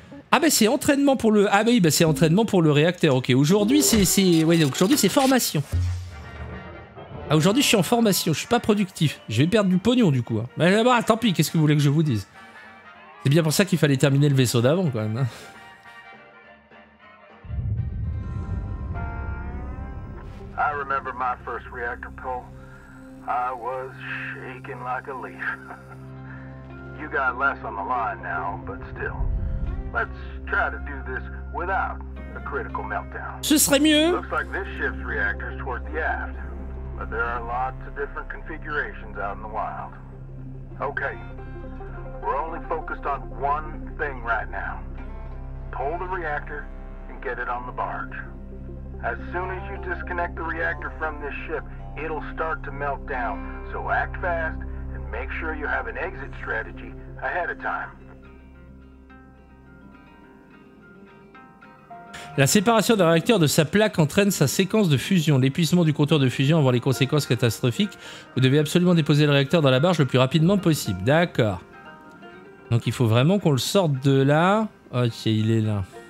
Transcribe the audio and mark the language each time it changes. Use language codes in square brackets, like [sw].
[fr] Ah bah c'est entraînement pour le... ah oui, bah c'est entraînement pour le réacteur, ok. Aujourd'hui c'est... ouais, donc aujourd'hui c'est formation. Ah aujourd'hui je suis en formation, je suis pas productif. Je vais perdre du pognon du coup. Hein. Bah, bah tant pis, qu'est-ce que vous voulez que je vous dise? C'est bien pour ça qu'il fallait terminer le vaisseau d'avant quand même. Hein. [en] I remember my first reactor pull. I was shaking like a leaf. You got less on the line now, but still. Let's try to do this without a critical meltdown. [fr] Ce serait mieux. [en] Looks like this ship's reactor is toward the aft, but there are lots of different configurations out in the wild. Okay, we're only focused on one thing right now. Pull the reactor and get it on the barge. As soon as you disconnect the reactor from this ship, it'll start to melt down. So act fast and make sure you have an exit strategy ahead of time. [fr] La séparation d'un réacteur de sa plaque entraîne sa séquence de fusion. L'épuisement du compteur de fusion avant les conséquences catastrophiques. Vous devez absolument déposer le réacteur dans la barge le plus rapidement possible. D'accord. Donc il faut vraiment qu'on le sorte de là. Ok, il est là.